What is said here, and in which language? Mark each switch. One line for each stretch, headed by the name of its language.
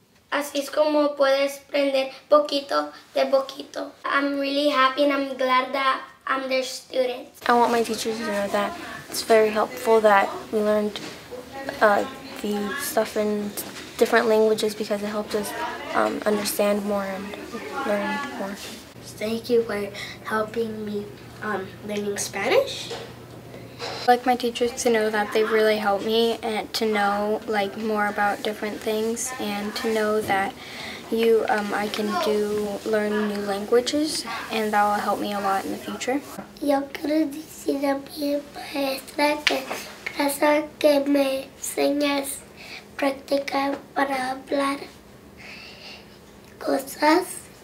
Spanish: Así es como puedes aprender poquito de poquito.
English: I'm really happy and I'm glad that I'm their student. I want my teachers to know that it's very helpful that we learned the stuff in different languages because it helped us understand more and learn more. Thank you for helping me learning Spanish. I'd like my teachers to know that they really helped me and to know like more about different things and to know that I can learn new languages and that will help me a lot in the future.
Spanish: Yo quiero decir a mi maestra que gracias que me enseñas practicar para hablar cosas.